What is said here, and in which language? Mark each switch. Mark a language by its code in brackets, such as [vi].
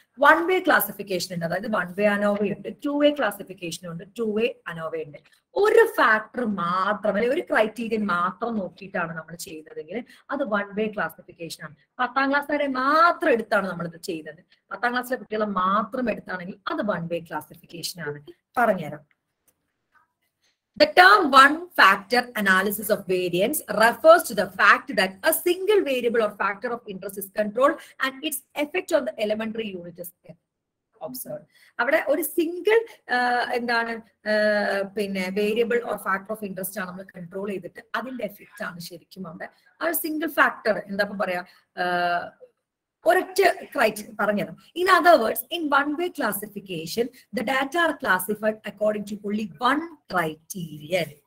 [ml] One way classification ഉണ്ട്, അതായത് one way അനോവയുണ്ട്, to വേ ക്ലാസിഫിക്കേഷനും ഉണ്ട്, ടു വേ അനോവയുണ്ട്. ഒരു ഫാക്ടർ മാത്രം അല്ലെങ്കിൽ ഒരു ക്രൈറ്റീരിയൻ മാത്രം നോക്കിയിട്ടാണ് നമ്മൾ ചെയ്യുന്നതെങ്കിൽ അത് വൺ വേ ക്ലാസിഫിക്കേഷനാണ്. പത്താം ക്ലാസ് വരെ മാത്രം എടുത്താണ് നമ്മളിത് ചെയ്യുന്നത്. പത്താം ക്ലാസ്സിലെ കുട്ടികളെ മാത്രം എടുത്താണെങ്കിൽ അത് വൺ വേ ക്ലാസിഫിക്കേഷനാണ്. പറഞ്ഞുതരാം. [en] The term one-factor analysis of variance refers to the fact that a single variable or factor of interest is controlled and its effect on the elementary unit is observed. [ml] അവിടെ ഒരു single എന്താണ് പിന്നെ variable or factor of interest ആണ് നമ്മൾ control ചെയ്തിട്ട് അതിന്റെ effect ആണ് ശരിക്കും അവിടെ ആ ഒരു സിംഗിൾ ഫാക്ടർ എന്താ ഇപ്പൊ പറയാ ഒരൊറ്റ ക്രൈറ്റീരിയ പറഞ്ഞത്. [en] In other words, in one way classification the data are classified according to only one criterion.